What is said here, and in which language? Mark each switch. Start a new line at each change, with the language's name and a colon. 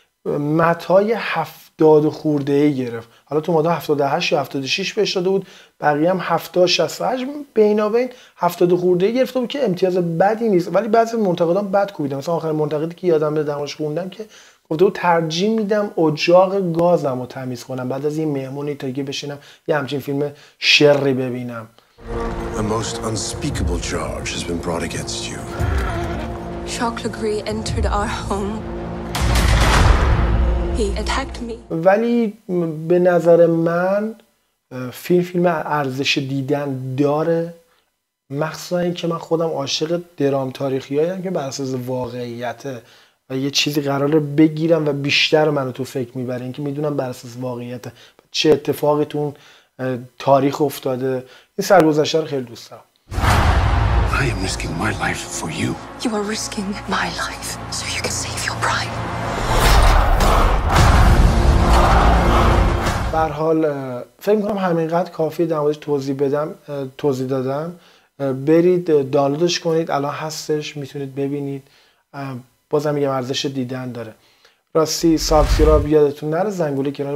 Persian: متای 70 خورده ای گرفت. حالا تو ماده 78 یا 76 بهش داده بود، بقیه هم 70-68 بینابین 70 خورده ای گرفته بود که امتیاز بدی نیست. ولی بعضی منتقدان بد کوبیده، مثلا آخر منتقدی که یادم به درماش خوندم که گفته بود ترجیح میدم اجاق گازم رو تمیز کنم بعد از این مهمونی تا یه بشینم یه همچین فیلم شری ببینم.
English: A most unspeakable charge has been brought against you. Jacques Legree entered our home.
Persian: ولی به نظر من فیلم ارزش دیدن داره، مخصوصا این که من خودم عاشق درام تاریخی هایم که بر اساس واقعیته و یه چیزی قراره بگیرم و بیشتر منو تو فکر میبره، این که میدونم بر اساس واقعیته چه اتفاقی تو اون تاریخ افتاده. این سرگذشته رو خیلی دوست دارم.
English: I am risking my life for you. You are risking my life so you can save your pride.
Persian: به هر حال فکر می‌کنم همینقدر کافیه در موردش توضیح دادم. برید دانلودش کنید، الان هستش، میتونید ببینید. بازم میگم ارزش دیدن داره. راستی سابسکرایب یادتون نره، زنگوله کنار.